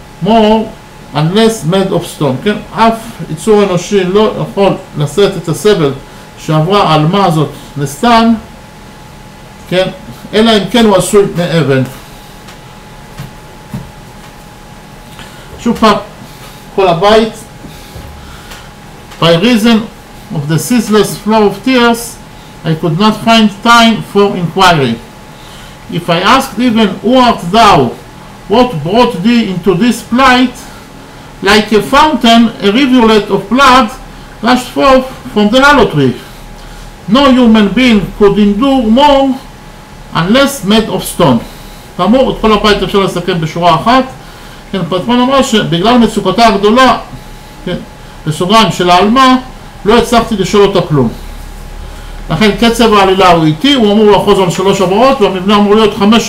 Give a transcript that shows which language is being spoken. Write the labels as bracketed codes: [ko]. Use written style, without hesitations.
[en] No human being could endure more unless made of stone. [he] כן? אף יצור אנושי לא יכול לשאת את הסבל שעברה העלמה הזאת נסתן, כן? אלא אם כן הוא עשוי מאבן. שוב פעם, כל הבית, [en] by reason of the ceaseless flow of tears, I could not find time for inquiry. If I asked even, who art thou? What brought thee into this plight? Like a fountain, a rivulet of blood rushed forth from the aloe tree. No human being could endure more unless made of stone. [he] כאמור, את כל הבית אפשר לסכם בשורה אחת. כן, פטמן אמרה שבגלל מצוקתה הגדולה, כן, בסוגריים של העלמה, לא הצלחתי לשאול אותה כלום. לכן קצב העלילה הוא איטי, הוא אמור לחוז על שלוש עברות, והמבנה אמור להיות 5-3-5-3.